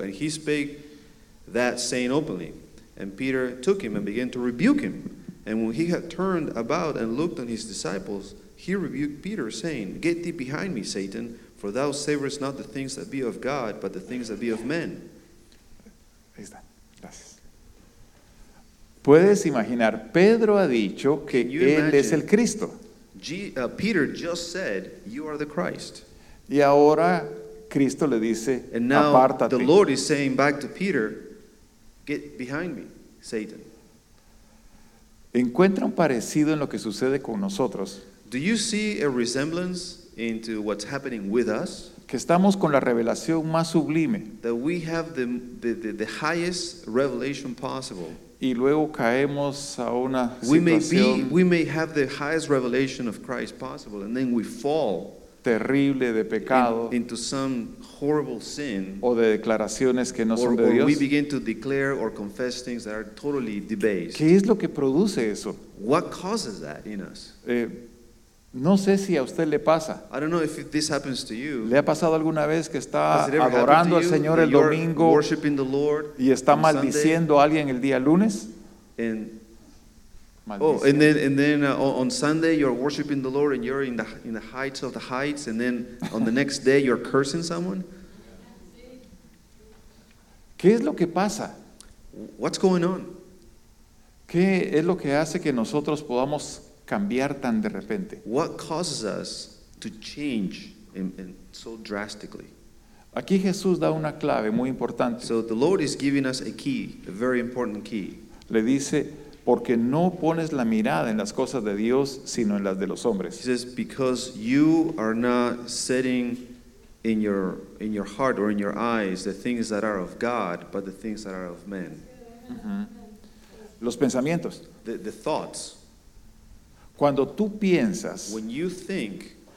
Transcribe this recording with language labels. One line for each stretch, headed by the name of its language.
English: And he spake that saying openly. And Peter took him and began to rebuke him. And when he had turned about and looked on his disciples, he rebuked Peter, saying, get thee behind me, Satan, for thou savorest not the things that be of God, but the things that be of men. Is that?
Spanish: Puedes imaginar, Pedro ha dicho que él es el Cristo.
English: Peter just said, you are the Christ.
Spanish: Y ahora Cristo le dice,
English: and now
Spanish: apártate.
English: The Lord is saying back to Peter, get behind me, Satan.
Spanish: Encuentra un parecido en lo que sucede con nosotros.
English: Do you see a resemblance into what's happening with us?
Spanish: Que estamos con la revelación más sublime.
English: That we have the highest revelation possible.
Spanish: Y luego caemos a una situación.
English: We may have the highest revelation of Christ possible, and then we fall.
Spanish: Terrible de pecado.
English: Into some horrible sin.
Spanish: O de declaraciones que no son de Dios.
English: Or we begin to declare or confess things that are totally debased.
Spanish: ¿Qué es lo que produce eso?
English: What causes that in us?
Spanish: No sé si a usted le pasa.
English: I don't know if this happens to you.
Spanish: ¿Le ha pasado alguna vez que está adorando al Señor el domingo y está maldiciendo a alguien el día lunes?
English: And then on Sunday you're worshiping the Lord and you're in the heights of the heights, and then on the next day you're cursing someone?
Spanish: ¿Qué es lo que pasa?
English: What's going on?
Spanish: ¿Qué es lo que hace que nosotros podamos cambiar tan de repente?
English: What causes us to change in so drastically?
Spanish: Aquí Jesús da una clave muy importante.
English: So the Lord is giving us a key, a very important key.
Spanish: Le dice, porque no pones la mirada en las cosas de Dios, sino en las de los hombres.
English: He says, because you are not setting in your heart or in your eyes the things that are of God, but the things that are of men. Mm-hmm.
Spanish: Los pensamientos.
English: The thoughts.
Spanish: Cuando tú piensas,
English: when you think,